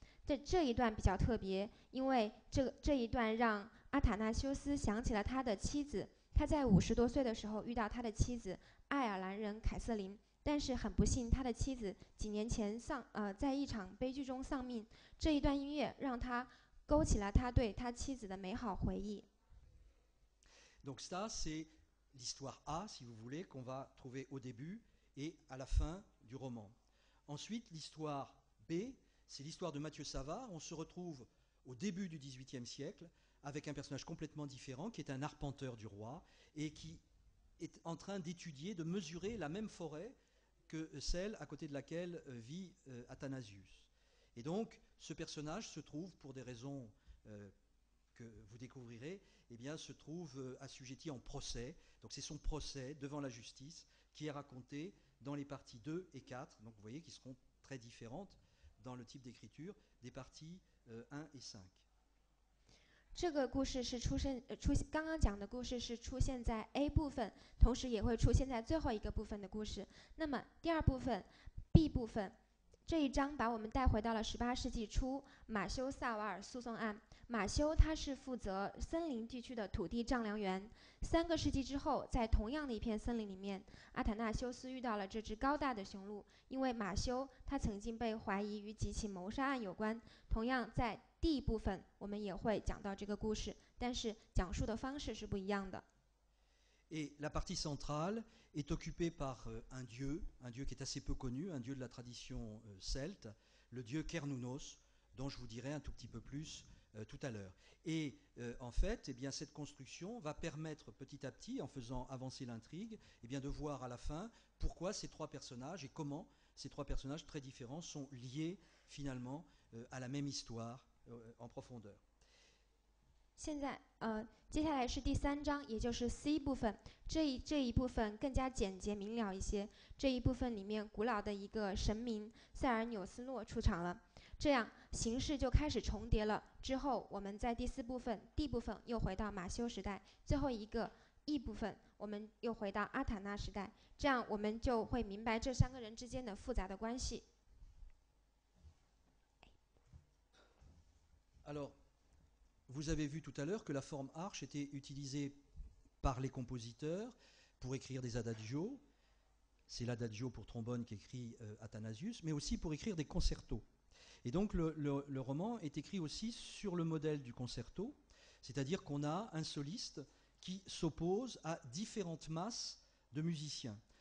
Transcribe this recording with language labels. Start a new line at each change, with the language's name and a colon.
Chinese: 在这一段比较特别，因为这一段让阿塔纳修斯想起了他的妻子，他在50多岁的时候遇到他的妻子爱尔兰人凯瑟琳，但是很不幸，他的妻子几年前在一场悲剧中丧命。这一段音乐让他勾起了他对他妻子的美好回忆。
French: Donc ça c'est l'histoire A, si vous voulez, qu'on va trouver au début et à la fin du roman. Ensuite, l'histoire B, c'est l'histoire de Mathieu Savard. On se retrouve au début du XVIIIe siècle avec un personnage complètement différent qui est un arpenteur du roi et qui est en train d'étudier, de mesurer la même forêt que celle à côté de laquelle vit Athanasius. Et donc, ce personnage se trouve, pour des raisons que vous découvrirez, eh bien, se trouve assujetti en procès. Donc, c'est son procès devant la justice qui est raconté dans les parties 2 et 4. Donc, vous voyez qu'ils seront très différentes dans le type d'écriture des parties 1 et 5.
Chinese: 这个故事是出现出刚刚讲的故事是出现在 A 部分，同时也会出现在最后一个部分的故事。那么第二部分 B 部分这一章把我们带回到了十八世纪初马修萨瓦尔诉讼案。马修他是负责森林地区的土地丈量员。三个世纪之后，在同样的一片森林里面，阿塔纳修斯遇到了这只高大的雄鹿，因为马修他曾经被怀疑与几起谋杀案有关。同样在D 部分我们也会讲到这个故事，但是讲述的方式是不一样的。
French: Et la partie centrale est occupée par un dieu qui est assez peu connu, un dieu de la tradition celte, le dieu Cernunnos, dont je vous dirai un tout petit peu plus tout à l'heure. Et en fait, eh bien, cette construction va permettre petit à petit, en faisant avancer l'intrigue, eh bien, de voir à la fin pourquoi ces trois personnages et comment ces trois personnages très différents sont liés finalement à la même histoire. En profondeur.
Chinese: 现在，接下来是第三章，也就是 C 部分。这一部分更加简洁明了一些。这一部分里面，古老的一个神明塞尔纽斯诺出场了。这样形式就开始重叠了。之后，我们在第四部分 D 部分又回到马修时代，最后一个 E 部分我们又回到阿塔纳时代。这样我们就会明白这三个人之间的复杂的关系。
French: Alors, vous avez vu tout à l'heure que la forme arche était utilisée par les compositeurs pour écrire des adagios. C'est l'adagio pour trombone qu'écrit Athanasius, mais aussi pour écrire des concertos. Et donc le roman est écrit aussi sur le modèle du concerto, c'est-à-dire qu'on a un soliste qui s'oppose à différentes masses de musiciens.